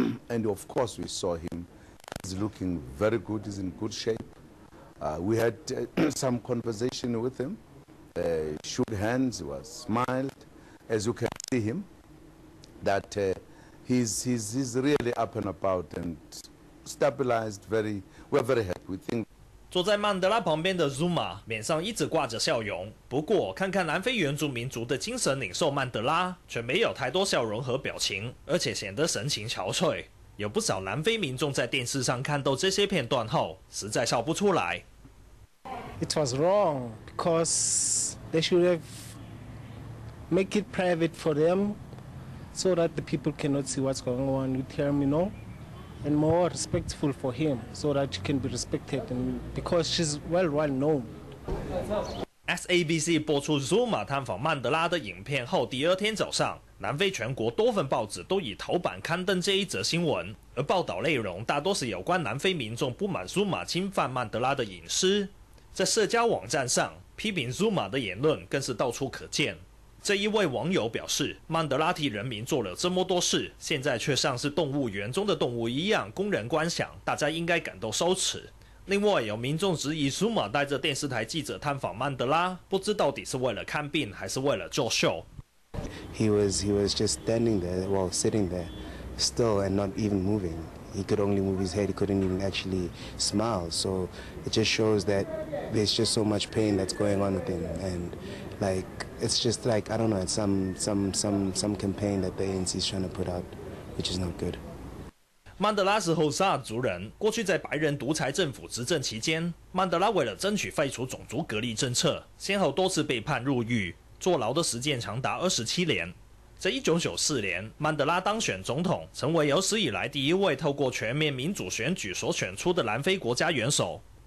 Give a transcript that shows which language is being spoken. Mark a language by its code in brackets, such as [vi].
[en] And of course, we saw him. He's looking very good. He's in good shape. We had some conversation with him. Shook hands, he was smiled. As you can see him, that he's really up and about and stabilized. We're very happy. We think. [zh] 坐在曼德拉旁边的 Zuma 脸上一直挂着笑容，不过看看南非原住民族的精神领袖曼德拉，却没有太多笑容和表情，而且显得神情憔悴。有不少南非民众在电视上看到这些片段后，实在笑不出来。 [en] It was wrong because they should have. Make it private for them, so that the people cannot see what's going on with him, you know, and more respectful for him, so that she can be respected, and because she's well known. [zh] SABC 播出 Zuma 探访曼德拉的影片后，第二天早上，南非全国多份报纸都以头版刊登这一则新闻，而报道内容大多是有关南非民众不满 Zuma 侵犯曼德拉的隐私。在社交网站上，批评 Zuma 的言论更是到处可见。这一位网友表示，曼德拉替人民做了这么多事，现在却像是动物园中的动物一样供人观赏，大家应该感到羞耻。另外有民众质疑苏马带着电视台记者探访曼德拉，不知到底是为了看病还是为了作秀。 [en] He was just standing there, well, sitting there, still and not even moving. He could only move his head, he couldn't even actually smile. So it just shows that there's just so much pain that's going on with him and like. It's just like, I don't know, it's some campaign that the ANC is trying to put out, which is not good. [zh] 曼德拉是后萨族人，过去在白人独裁政府执政期间，曼德拉为了争取废除种族隔离政策，先后多次被判入狱，坐牢的时间长达27年。在1994年，曼德拉当选总统，成为有史以来第一位透过全面民主选举所选出的南非国家元首。